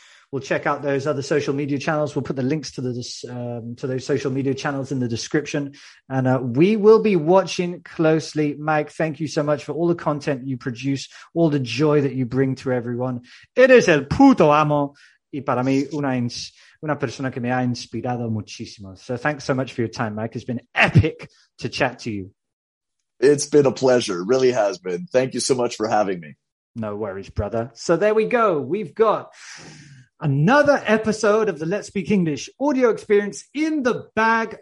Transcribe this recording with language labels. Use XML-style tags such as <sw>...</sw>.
<en>We'll check out those other social media channels. We'll put the links to those social media channels in the description. And we will be watching closely. Mike, thank you so much for all the content you produce, all the joy that you bring to everyone.</en> <es>Eres el puto amo. Y para mí, una persona que me ha inspirado muchísimo.</es> <en>So thanks so much for your time, Mike. It's been epic to chat to you. It's been a pleasure. It really has been. Thank you so much for having me. No worries, brother. So there we go. We've got another episode of the Let's Speak English audio experience in the bag.</en>